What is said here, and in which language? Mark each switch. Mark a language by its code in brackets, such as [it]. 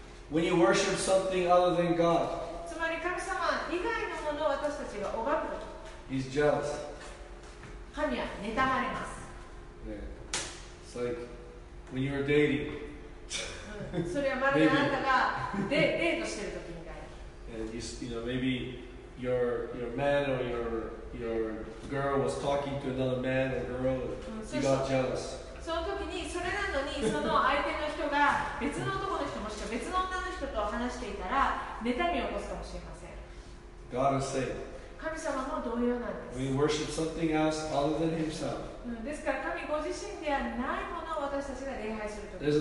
[en] When you worship something other than God, [ja] つまり神様以外のものを私たちが拝むと、 [en] He's jealous. [ja] 神は妬まれます。 [en] It's like when you're dating. [ja] それはまるであなたがデートしている時みたいな。 [en] And you know, maybeYour man or your girl was talking to another man or girl, and you got jealous. [ja] その時にそれなのにその相手の人が別の男の人もしくは別の女の人と話していたら妬みを起こすかもしれません。 [en] God is saying. [ja] 神様も同様なんです。 [en] We worship something else other than Himself. [ja] ですから神ご自身ではないものを私たちが礼拝する時。